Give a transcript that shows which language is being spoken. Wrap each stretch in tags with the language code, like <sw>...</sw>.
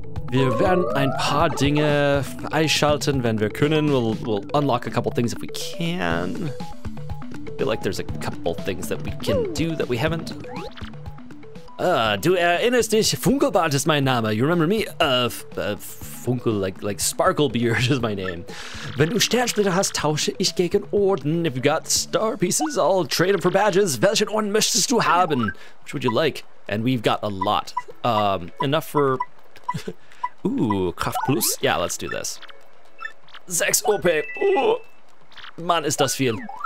<de>Wir werden ein paar Dinge freischalten, wenn wir können.</de> <en>We'll unlock a couple things if we can. I feel like there's a couple things that we can do that we haven't.</en> <de>Du erinnerst dich, Funkelbart ist mein Name.</de> <en>You remember me? Funkel, like Sparklebeard is my name.</en> <de>Wenn du Sternsplitter hast, tausche ich gegen Orden.</de> <en>If you got star pieces, I'll trade them for badges.</en> <de>Welchen Orden möchtest du haben?</de> <en>Which would you like? And we've got a lot. Enough for... Ooh, Kraft Plus? Yeah, let's do this. 6 OP. Ooh.</en> <de>Mann, ist das viel.</de>